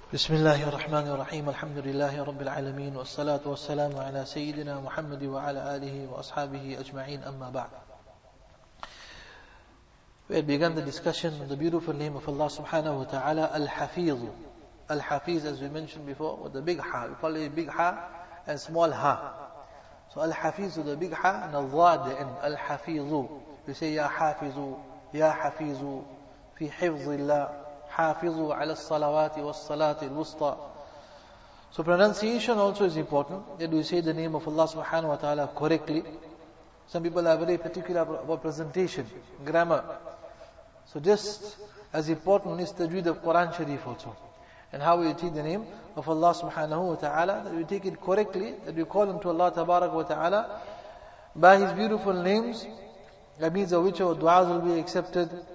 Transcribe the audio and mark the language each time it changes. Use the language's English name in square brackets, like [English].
[Arabic] بسم الله الرحمن الرحيم الحمد لله رب العالمين والصلاة والسلام على سيدنا محمد وعلى آله وأصحابه أجمعين أما بعد. [English] We began the discussion on the beautiful name of Allah subhanahu wa ta'ala, Al-Hafiz. Al-Hafiz, as we mentioned before, with the big ha. We call it big ha and small ha. So Al-Hafiz with the big ha and Allah at the end. Al-Hafiz. We say Ya Hafizu, Ya Hafizu, Fi Hifzillah. [Arabic] حافظوا على الصلوات والصلاة الوسطى. [English] So pronunciation also is important. That we say the name of Allah subhanahu wa ta'ala correctly. Some people have very particular about presentation, grammar. So just as important is tajweed of Quran Sharif also. And how we take the name of Allah subhanahu wa ta'ala, that we take it correctly, that we call unto Allah tabarak wa ta'ala by His beautiful names, that means of which our du'as will be accepted.